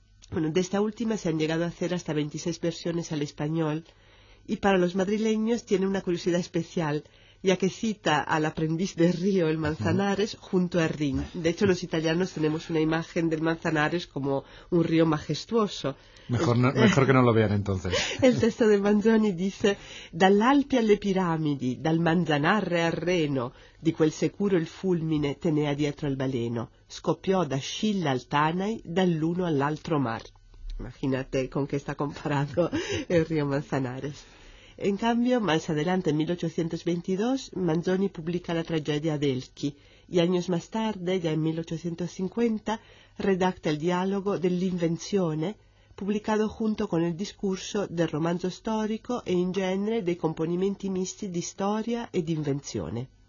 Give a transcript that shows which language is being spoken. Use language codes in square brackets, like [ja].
[es] Bueno, de esta última se han llegado a hacer hasta 26 versiones al español y para los madrileños tiene una curiosidad especial, ya que cita al aprendiz de Río, el Manzanares, junto a Rin. De hecho, los italianos tenemos una imagen del Manzanares como un río majestuoso. Mejor que no lo vean entonces. El texto de Manzoni dice: [it] «Dall'Alpi alle piramidi, dal Manzanarre al Reno, di quel securo il fulmine tenea dietro al baleno, scoppiò da Scilla al Tanai, dall'uno all'altro mar». [es] Imagínate con qué está comparado el río Manzanares. En cambio, más adelante, en 1822, Manzoni publica la tragedia de Elchi y años más tarde, ya en 1850, redacta el diálogo dell'Invenzione, publicado junto con el discurso del romanzo histórico e in genere dei componimenti misti di storia e di invenzione.